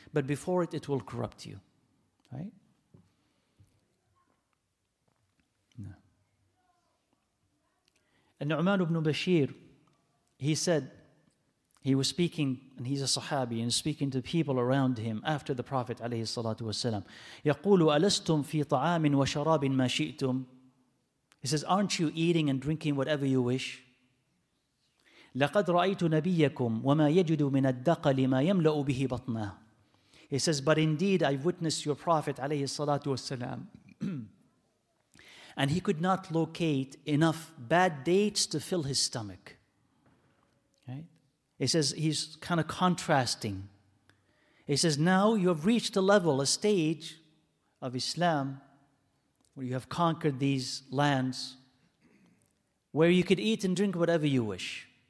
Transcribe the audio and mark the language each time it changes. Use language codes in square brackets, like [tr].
[en] But before it, it will corrupt you. Right? No. And Nu'man ibn Bashir, he said, he was speaking, and he's a Sahabi, and speaking to people around him after the Prophet [ar] عليه الصلاة والسلام. يقول ألستم في طعام وشراب ما شئتم. [en] He says, aren't you eating and drinking whatever you wish? [ar] لقد رأيت نبيكم وما يجد من الدقل ما يملأ به بطنه. [en] He says, but indeed I witnessed your Prophet [ar] عليه الصلاة والسلام, [en] and he could not locate enough bad dates to fill his stomach. He says, he's kind of contrasting. He says, now you have reached a level, a stage of Islam where you have conquered these lands where you could eat and drink whatever you wish.